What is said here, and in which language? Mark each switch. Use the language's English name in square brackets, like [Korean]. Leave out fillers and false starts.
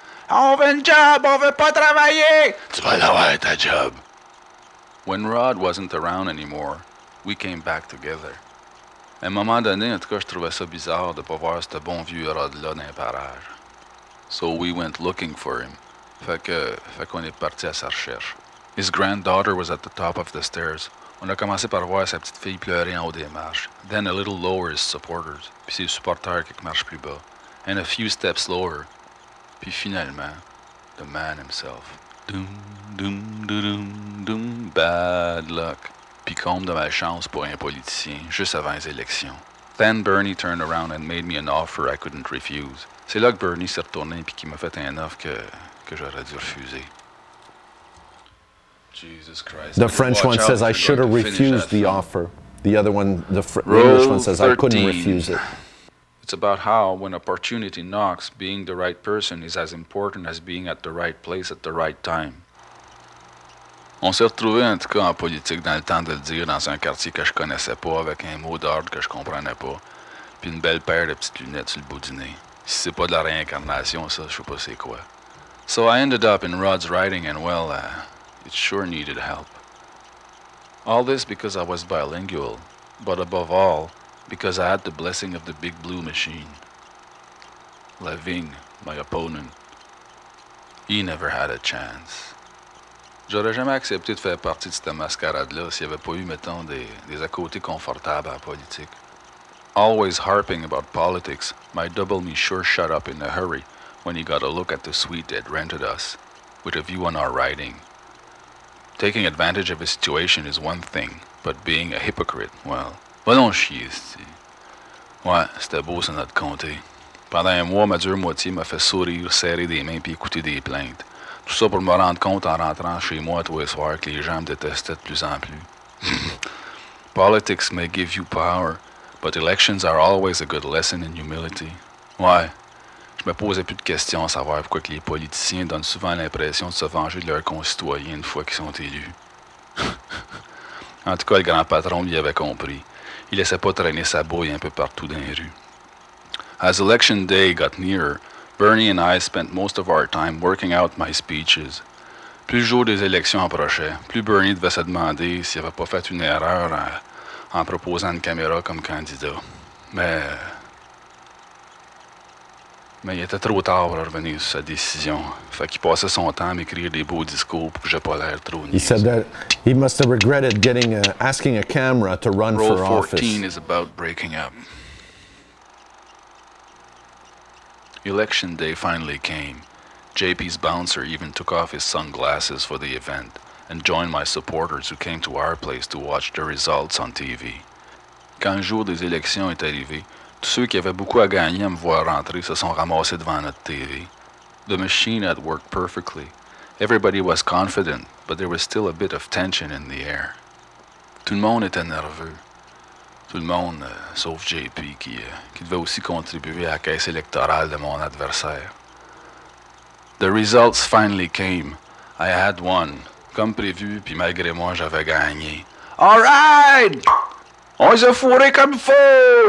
[French] On veut un job, on veut pas travailler. Tu vas avoir ta job. [English] When Rod wasn't around anymore, we came back together. [French] À un moment donné, en tout cas, je trouvais ça bizarre de pas voir ce bon vieux Rod-là dans le parage. [English] So we went looking for him. [French] Fait qu'on est parti à sa recherche. [English] His granddaughter was at the top of the stairs. [French] On a commencé par voir sa petite fille pleurer en haut des marches. [English] Then a little lower his supporters. [French] Puis ses supporters qui marchent plus bas. [English] And a few steps lower. [French] Puis finalement, [English] the man himself. Doom, doom, doom, doom, doom. Bad luck. [French] Puis comble de malchance pour un politicien, juste avant les élections. [English] Then Bernie turned around and made me an offer I couldn't refuse. [French] C'est là que Bernie s'est retourné puis qu'il m'a fait un offre que j'aurais dû refuser. [English] Jesus Christ. The French one says I should have refused the offer. The other one, the English one says I couldn't refuse it. It's about how when opportunity knocks, being the right person is as important as being at the right place at the right time. [French] On s'est retrouvé en tout cas en politique dans le temps de le dire dans un quartier que je connaissais pas avec un mot d'ordre que je comprenais pas, puis une belle paire de petites lunettes sur le bout du nez. Si c'est pas de la réincarnation, ça, je sais pas c'est quoi. [English] So I ended up in Rod's writing and well. It sure needed help. All this because I was bilingual, but above all, because I had the blessing of the Big Blue Machine. Levin, my opponent, he never had a chance. [French] J'aurais jamais accepté de faire partie de cette mascarade-là s'il n'y avait pas eu, mettons, des à côté confortables en politique. [English] Always harping about politics, my double me sure shut up in a hurry when he got a look at the suite they'd rented us, with a view on our riding. Taking advantage of a situation is one thing, but being a hypocrite, well... [French] Va donc chier, c'ti. Ouais, c'était beau, c'est notre comté. Pendant un mois, ma dure moitié m'a fait sourire, serrer des mains puis écouter des plaintes. Tout ça pour me rendre compte en rentrant chez moi tous les soirs que les gens me détestaient de plus en plus. [English] Politics may give you power, but elections are always a good lesson in humility. [French] Ouais, je me posais plus de questions à savoir pourquoi que les politiciens donnent souvent l'impression de se venger de leurs concitoyens une fois qu'ils sont élus. En tout cas, le grand patron lui avait compris. Il laissait pas traîner sa bouille un peu partout dans les rues. [English] As election day got nearer, Bernie and I spent most of our time working out my speeches. [French] Plus le jour des élections approchait, plus Bernie devait se demander s'il n'avait pas fait une erreur en proposant une caméra comme candidat. Mais il était trop tard pour revenir sur sa décision. Fait qu'il passait son temps à m'écrire des beaux discours pour que j'ai pas l'air trop niaise. [English] He said that he must have regretted asking a camera to run Row for office. Row 14 is about breaking up. Election day finally came. JP's bouncer even took off his sunglasses for the event and joined my supporters who came to our place to watch the results on TV. [French] Quand le jour des élections est arrivé, tous ceux qui avaient beaucoup à gagner à me voir rentrer se sont ramassés devant notre TV. [English] The machine had worked perfectly. Everybody was confident, but there was still a bit of tension in the air. [French] Tout le monde était nerveux. Tout le monde, sauf JP, qui devait aussi contribuer à la caisse électorale de mon adversaire. [English] The results finally came. I had won. [French] Comme prévu, puis malgré moi, j'avais gagné. [English] All right! [French] On se fourré comme faux!